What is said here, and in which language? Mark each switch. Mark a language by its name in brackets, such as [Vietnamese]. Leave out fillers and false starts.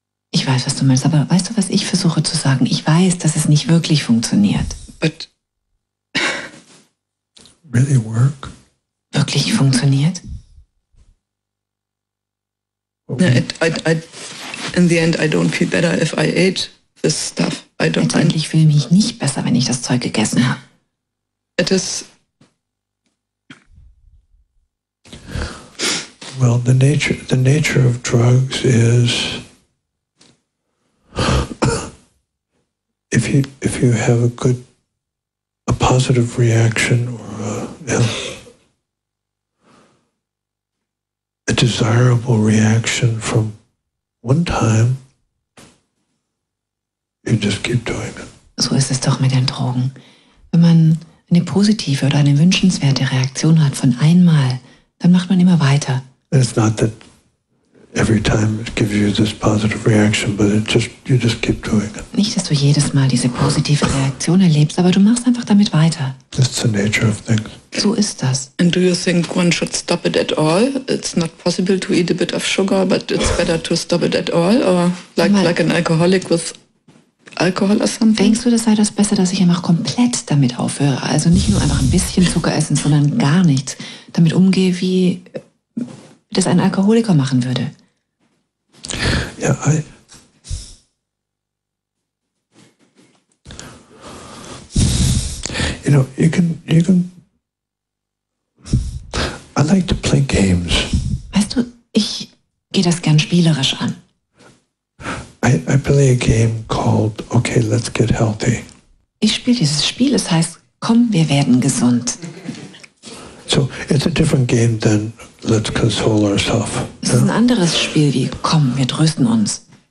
[German] Ich weiß, was du meinst, aber weißt du, was ich versuche zu sagen? Ich weiß, dass es nicht wirklich funktioniert. [English] But really work? [German] Wirklich funktioniert? [English] No, I, in the end, I don't feel better if I ate this stuff. I don't. [German] Letztendlich fühle ich mich nicht besser, wenn ich das Zeug gegessen habe. [English] It is. Well, the nature of drugs is. If you have a positive reaction or a desirable reaction from one time, you just keep doing it. [German] So ist es doch mit den Drogen. Wenn man eine positive oder eine wünschenswerte Reaktion hat von einmal, dann macht man immer weiter. [English] It's not that every time it gives you this positive reaction, but it just, you just keep doing it. [German] Nicht, dass du jedes Mal diese positive Reaktion erlebst, aber du machst einfach damit weiter. [English] That's the nature of things. [German] So ist das. [English] And do you think one should stop it at all? It's not possible to eat a bit of sugar, but it's better to stop it at all? Or like an alcoholic with alcohol or something? [German] Denkst du, das sei das besser, dass ich einfach komplett damit aufhöre? Also nicht nur einfach ein bisschen Zucker essen, sondern gar nichts. Damit umgehe, wie das ein Alkoholiker machen würde. [English] Ja, you know, you can. I like to play games. [German] Weißt du, ich gehe das gern spielerisch an. [English] I play a game called Okay, let's get healthy. [German] Ich spiele dieses Spiel. Es heißt, komm, wir werden gesund. [English] So, it's a different game than let's console ourselves. [German] Es ist ein anderes Spiel wie komm, wir trösten uns.